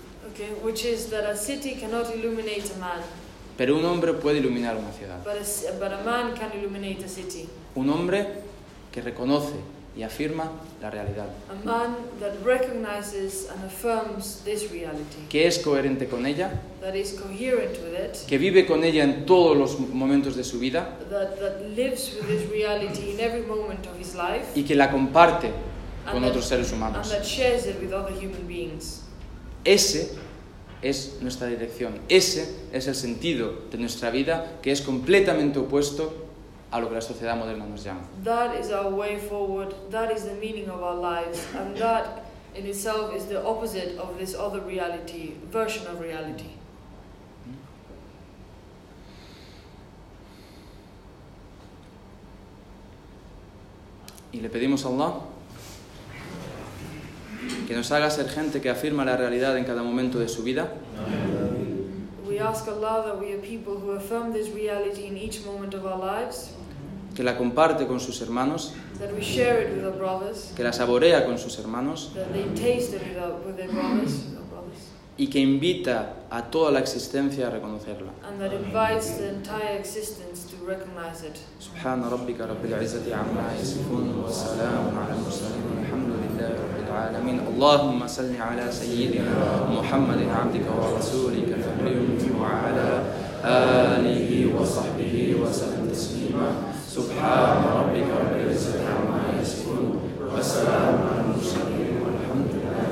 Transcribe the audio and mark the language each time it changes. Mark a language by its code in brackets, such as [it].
[en] Okay, which is that a city cannot illuminate a man. [es] Pero un hombre puede iluminar una ciudad. [en] But a man can illuminate a city. [es] Un hombre que reconoce y afirma la realidad. [en] A man that recognizes and affirms this reality. [es] Que es coherente con ella. [en] That is coherent with it. [es] Que vive con ella en todos los momentos de su vida. [en] That lives with this reality in every moment of his life. [es] Y que la comparte con otros [en] that, [es] seres humanos. [en] And that shares it with other human beings. [es] Ese es nuestra dirección. Ese es el sentido de nuestra vida, que es completamente opuesto a lo que la sociedad moderna nos llama. [en] That is our way forward. That is the meaning of our lives, and that in itself is the opposite of this other reality, version of reality. [es] Y le pedimos a Allah que nos haga ser gente que afirma la realidad en cada momento de su vida. [en] We ask Allah that we are people who affirm this reality in each moment of our lives. [es] Que la comparte con sus hermanos. [en] That we share it with our brothers. [es] Que la saborea con sus hermanos. [en] That they taste it with their brothers. [es] Y que invita a toda la existencia a reconocerla. [en] And that invites the entire existence to recognize it. [ar] سبحان ربك رب العزة عما يصفون وسلام على المرسلين والحمد لله رب العالمين اللهم صل على سيدنا محمد عبدك ورسولك فخر وعلى آله وصحبه وسلم. تسليما سبحان ربك رب العزة عما يصفون وسلام على المرسلين والحمد لله